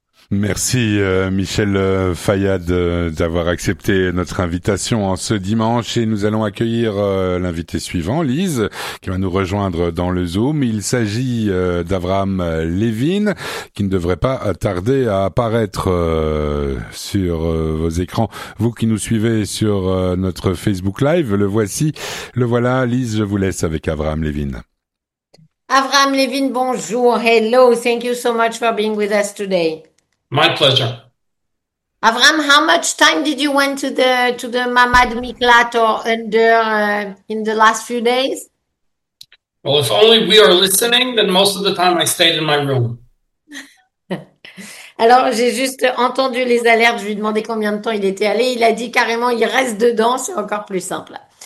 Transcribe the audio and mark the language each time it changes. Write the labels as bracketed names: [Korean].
[French] Merci Michel Fayad d'avoir accepté notre invitation en ce dimanche et nous allons accueillir l'invité suivant, Lise, qui va nous rejoindre dans le Zoom. Il s'agit d'Abraham Levin, qui ne devrait pas tarder à apparaître sur vos écrans. Vous qui nous suivez sur notre Facebook Live, le voici, le voilà. Lise, je vous laisse avec Abraham Levin. Avraham Levin, bonjour. [English] Hello, thank you so much for being with us today. My pleasure. Avraham, how much time did you went to the Mamad Miklat or under in the last few days? Well, if only we are listening, then most of the time I stayed in my room. [French] Alors, j'ai juste entendu les alertes, je lui ai demandé combien de temps il était allé. Il a dit carrément, il reste dedans, c'est encore plus simple.